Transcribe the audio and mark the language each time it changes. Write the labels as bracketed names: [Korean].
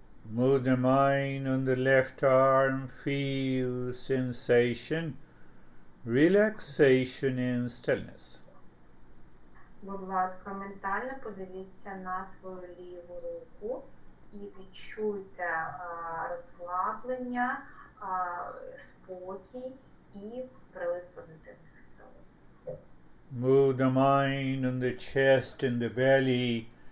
[English] Move the mind on the left arm, feel sensation, relaxation and stillness. [Ukrainian] Будь ласка, ментально подивіться на свою ліву руку і відчуйте розслаблення, спокій і прилив позитивних сил. [English] Move the mind on the chest and the belly.